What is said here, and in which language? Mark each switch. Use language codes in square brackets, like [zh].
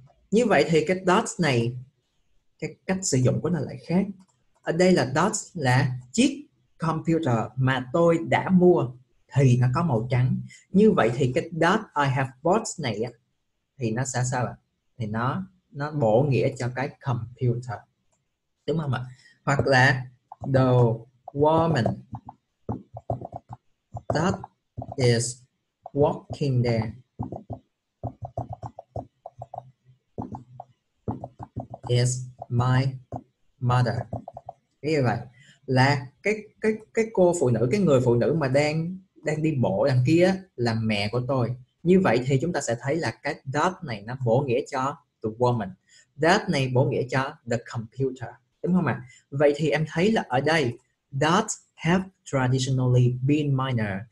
[vi] Như vậy thì cái dot này, cái cách sử dụng của nó lại khác. Ở đây là dot là chiếc computer mà tôi đã mua thì nó có màu trắng. Như vậy thì cái dot I have bought này thì nó sẽ sao ạ? Thì nó bổ nghĩa cho cái computer, đúng không ạ? Hoặc là [en] the woman that is working is my mother. [vi] Như vậy là cái cô phụ nữ, cái người phụ nữ mà đang đang đi bộ đằng kia là mẹ của tôi. Như vậy thì chúng ta sẽ thấy là cái that này nó bổ nghĩa cho the woman, that này bổ nghĩa cho the computer, đúng không ạ? Vậy thì em thấy là ở đây [en] that have traditionally been minor.